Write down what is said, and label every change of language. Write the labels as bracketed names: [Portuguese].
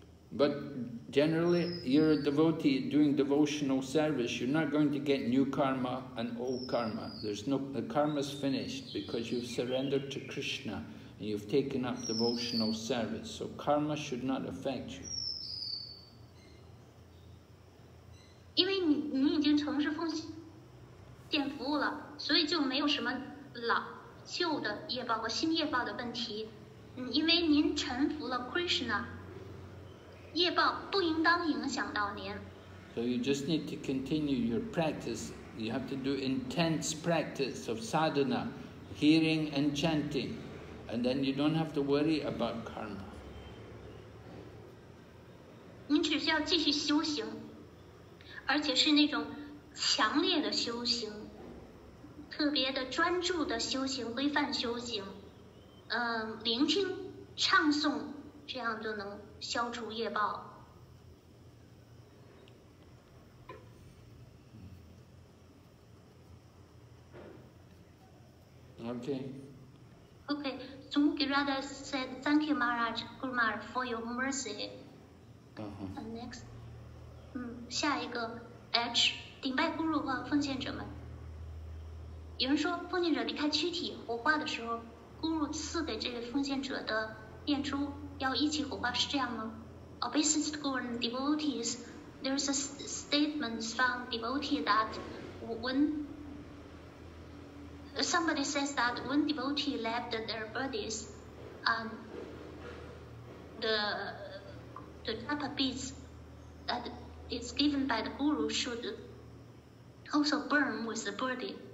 [English] But generally, you're a devotee doing devotional service. You're not going to get new karma and old karma. There's no, the karma's finished because you've surrendered to Krishna and you've taken up devotional service. So karma should not affect you. [Chinese] 因为你已经从事奉献服务了，所以就没有什么老旧的业报和新业报的问题。因为您臣服了 Krishna, 业报不应当影响到您。 [English] So you just need to continue your practice. You have to do intense practice of sadhana, hearing and chanting, and then you don't have to worry about karma. [Chinese] 您只需要继续修行。而且是那种强烈的修行，特别的专注的修行，规范修行，聆听、唱诵，这样就能消除业报。 [English] Okay. Okay. Jumuki Radha said, thank you, Maharaj Guru Maharaj, for your mercy. Uh-huh. And next. [Chinese] 下一个 H, 顶拜孤乳和奉献者们。有人说奉献者离开躯体火化的时候，孤乳赐给这个奉献者的念珠要一起火化，是这样吗？ [English] Obeisance to Guru and devotees, there is a statement from devotee that when somebody says that when devotee left their bodies, the japa beads that is given by the guru should also burn with the body.